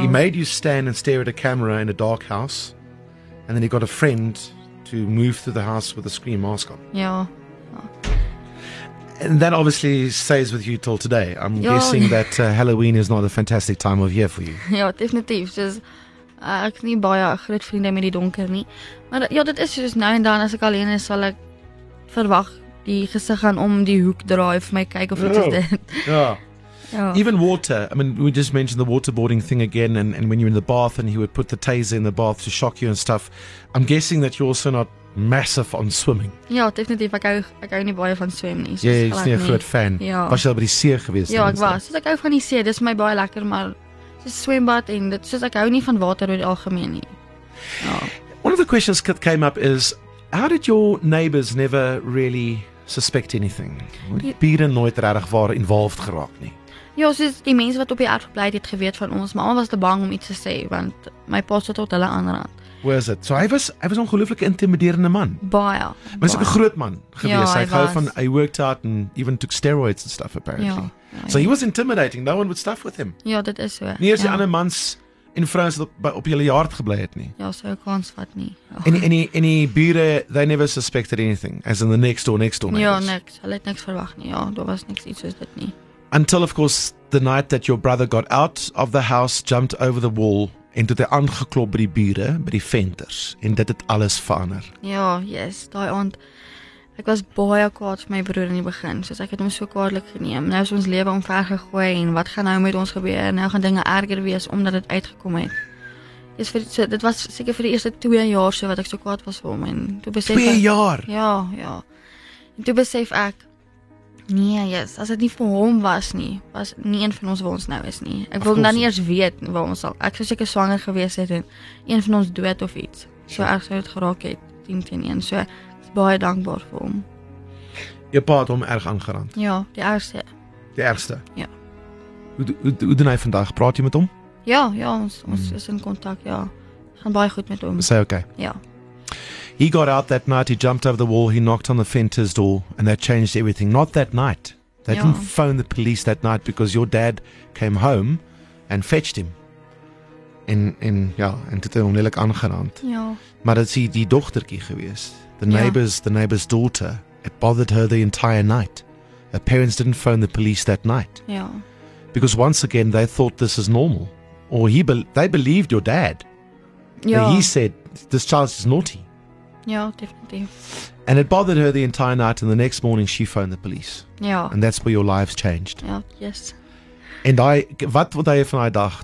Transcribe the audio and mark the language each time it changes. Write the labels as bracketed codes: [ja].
[en] He made you stand and stare at a camera in a dark house. And then he got a friend to move through the house with a scream mask on. Yeah. And that obviously stays with you till today. I'm guessing that Halloween is not a fantastic time of year for you. Yeah, definitely. [af] So, ek nie baie groot vriende met die donker nie. Maar ja, dit is soos nou en dan as ek alleen is, sal ek verwag die gesig gaan om die hoek draai vir my kyk of iets is dit. [en] Yeah. Even water, I mean, we just mentioned the waterboarding thing again, and when you're in the bath and he would put the taser in the bath to shock you and stuff, I'm guessing that you're also not massive on swimming. Yeah, definitely. I go [af] nie baie van swim nie. [en] Yeah, he's not a good fan. Yeah. [af] Was jy al by die see gewees? Ja, ek was. Soos ek hou van die see, dis my baie lekker, maar soos swembad en dit, soos ek hou nie van water oor die algemeen nie. [en] One of the questions that came up is, how did your neighbors never really suspect anything? [af] Biere nooit regtig waar involved geraak nie. Ja, soos die mense wat op die erf gebly het geweet van ons, maar almal was te bang om iets te sê, want my pa het tot hulle aanraak. Hoe is dit? So hy was 'n ongelooflike intimiderende man. Baie. Was ook 'n groot man gewees. Ja, hy gehou van, hy [en] worked out and even took steroids and stuff apparently. [af] Ja, [en] so he was intimidating. No one would stuff with him. [af] Ja, dit is so. Nie eens die ander mans en vrouens wat op julle yard gebly het nie. Ja, sou kans vat nie. En die bure, [en] they never suspected anything as in the next door neighbors. [af] Ja, niks. Hulle het niks verwag nie. Ja, daar was niks iets soos dit nie. [en] Until, of course, the night that your brother got out of the house, jumped over the wall, into the [af] aangeklop by die bure, by die venters, en dit het alles verander. Ja, yes, daai aand, ek was baie kwaad vir my broer in die begin, soos ek het hom so kwaadlik geneem. Nou is ons lewe omver gegooi, en wat gaan nou met ons gebeur? Nou gaan dinge erger wees, omdat het uitgekom het. Yes, dit was seker vir die eerste 2 jaar so, wat ek so kwaad was vir hom. En toe besef 2 jaar? Ja. En toe besef ek, nee, yes, as dit nie vir hom was nie, was nie een van ons waar ons nou is nie. Ek wil dan nie eers weet waar ons al, ek sou seker swanger gewees het en een van ons dood of iets. So erg sou dit geraak het, 10-1, so ek is baie dankbaar vir hom. Jou pa het hom erg aangerand? Ja, die ergste. Die ergste? Ja. Hoe doen hy vandag? Praat jy met hom? Ja, ons is in contact, ja. Gaan baie goed met hom. Is hy okay? Ja. [en] He got out that night, he jumped over the wall, he knocked on the fenter's door, and that changed everything. Not that night. They didn't phone the police that night because your dad came home and fetched him. [af] En toe het hom lelik aangerand. Ja. Maar dit is die dogtertjie gewees. [en] The neighbor's daughter. It bothered her the entire night. Her parents didn't phone the police that night. [af] Ja. [en] Because once again, they thought this is normal. Or they believed your dad. [af] Ja. [en] He said, this child is naughty. Ja, definitely. And it bothered her the entire night, and the next morning she phoned the police. [af] Ja. [en] And that's where your lives changed. [af] Ja, yes. [en] And I, [af] wat wil jy van die dag?